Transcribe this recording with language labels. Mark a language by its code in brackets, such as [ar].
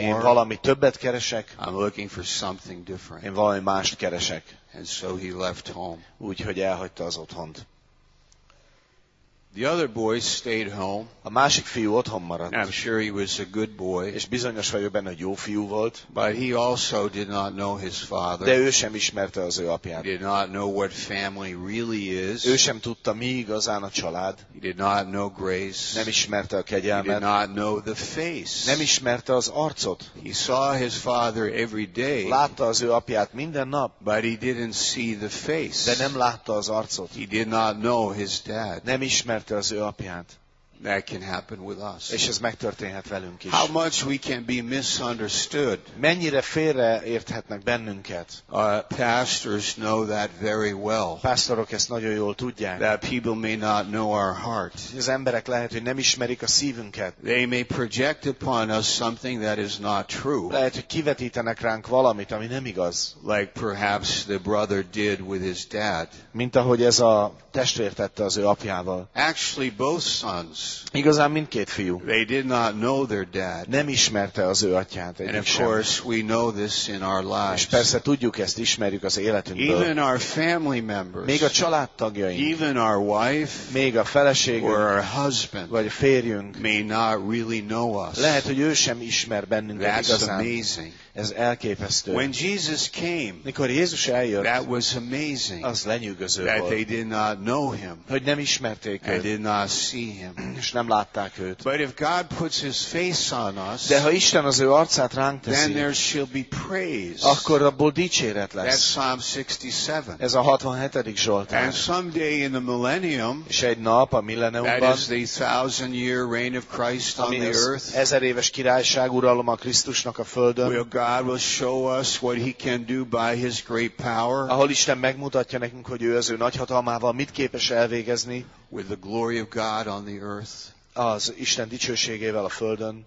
[hu] Én valami többet keresek. [en] I'm looking for something different. [hu] Én valami mást keresek. [en] And so he left home. [hu] Úgyhogy elhagyta az otthont. [en] The other boy stayed home. [hu] A másik fiú otthon maradt. [en] I'm sure he was a good boy. [hu] És bizonyos vagyok benne, hogy jó fiú volt. [en] But he also did not know his father. [hu] De ő sem ismerte az ő apját. [en] He did not know what family really is. [hu] Ő sem tudta, mi igazán a család. [en] He did not know grace. [hu] Nem ismerte a kegyelmet. [en] He did not know the face. [hu] Nem ismerte az arcot. [en] He saw his father every day. [hu] Látta az ő apját minden nap. [en] But he didn't see the face. [hu] De nem látta az arcot. [en] He did not know his dad. [hu] Nem ismerte az ő apját. [en] That can happen with us. [hu] És ez megtörténhet velünk is. [en] How much we can be misunderstood. [hu] Mennyire félreérthetnek bennünket. [en] Pastors know that very well. [hu] Pásztorok ezt nagyon jól tudják. [en] That people may not know our heart. [hu] Az emberek lehet, hogy nem ismerik a szívünket. [en] They may project upon us something that is not true. [hu] Lehet, hogy kivetítenek ránk valamit, ami nem igaz. [en] Like perhaps the brother did with his dad. [hu] Mint ahogy ez a testvér tette az ő apjával. [en] Actually both sons. [hu] Igazán mindkét fiú. [en] They did not know their dad. [hu] Nem ismerte az ő atyát egyik sem. [en] And of course we know this in our lives. [hu] És persze tudjuk ezt, ismerjük az életünkből. [en] Even our family members. [hu] Még a családtagjaink. [en] Even our wife. [hu] Még a feleségünk. [en] Or our husband. [hu] Vagy a férjünk. [en] May not really know us. [hu] Lehet, hogy ő sem ismer bennünket igazán. [en] That's amazing. [hu] Ez elképesztő. [en] When Jesus came, [hu] mikor Jézus eljött, [en] that was amazing, [hu] az lenyűgöző volt. [en] That they did not know him, [hu] hogy nem ismerték őt. [en] They did not see him, [hu] és nem látták őt. [en] But if God puts his face on us, [hu] de ha Isten az ő arcát ránk teszi, [en] then there shall be praise. [hu] Akkor abból dicséret lesz. [en] That's Psalm 67. [hu] Ez a 67. Zsoltár. [en] And someday in the millennium, [hu] és egy nap a millenniumban, [en] that is the thousand year reign of Christ on the earth, [hu] ezer éves királyság uralma Krisztusnak a földön, [en] God will show us what he can do by his great power. [hu] Ahol Isten megmutatja nekünk, hogy ő az ő nagy hatalmával mit képes elvégezni. [en] With the glory of God on the earth. [hu] Az Isten dicsőségével a földön.